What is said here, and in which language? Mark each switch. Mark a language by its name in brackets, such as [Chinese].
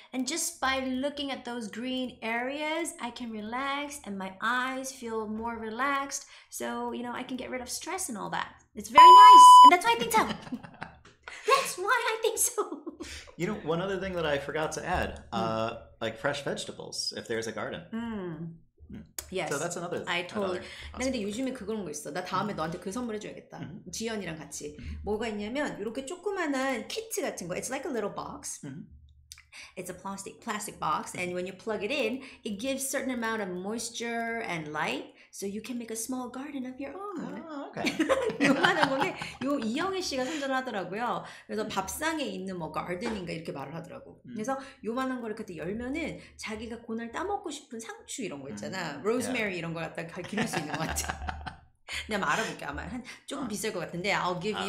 [English] And just by looking at those green areas, I can relax and my eyes feel more relaxed, so you know, I can get rid of stress and all that. It's very nice, and that's why I think so. That's why I think so. You know, one other thing that I forgot to add, like fresh vegetables if there's a garden. Yes. So that's another thing. I totally. Awesome. [Korean] 근데 요즘에 그런 거 있어. 나 다음에 너한테 그 선물 해줘야겠다. [English] Mm-hmm. [Korean] 지연이랑 같이. Mm-hmm. 뭐가 있냐면 이렇게 조그만한 키트 같은 거. [English] It's like a little box. Mm-hmm. It's a plastic box. Mm-hmm. And when you plug it in, it gives certain amount of moisture and light. So you can make a small garden of your own. Oh, okay. [Korean] 요만한 건데 요 이영애 씨가 선전하더라고요. 그래서 밥상에 있는 뭐 가든인가 이렇게 말을 하더라고. 그래서 요만한 거를 그때 열면은 자기가 그날 따먹고 싶은 상추 이런 거 있잖아. 로즈메리 yeah. 이런 거 갖다가 기를 수 있는 것 같아. 내가 알아볼게. 아마 한 조금 비쌀 것 같은데 [English] I'll give you